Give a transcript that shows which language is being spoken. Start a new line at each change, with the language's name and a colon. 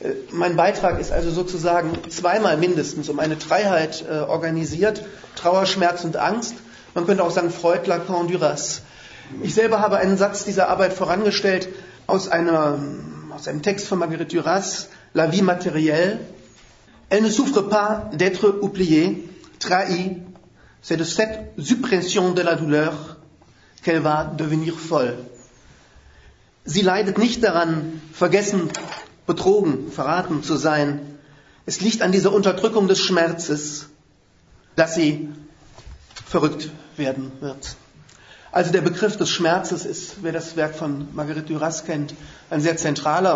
German: Mein Beitrag ist also sozusagen zweimal mindestens um eine Dreiheit organisiert, Trauer, Schmerz und Angst. Man könnte auch sagen Freud, Lacan, Duras. Ich selber habe einen Satz dieser Arbeit vorangestellt aus einem Text von Marguerite Duras, La vie matérielle.
French: Elle ne souffre pas d'être oubliée, trahie, c'est de cette suppression de la douleur qu'elle va devenir folle.
German: Sie leidet nicht daran, vergessen, betrogen, verraten zu sein. Es liegt an dieser Unterdrückung des Schmerzes, dass sie verrückt werden wird. Also der Begriff des Schmerzes ist, wer das Werk von Marguerite Duras kennt, ein sehr zentraler.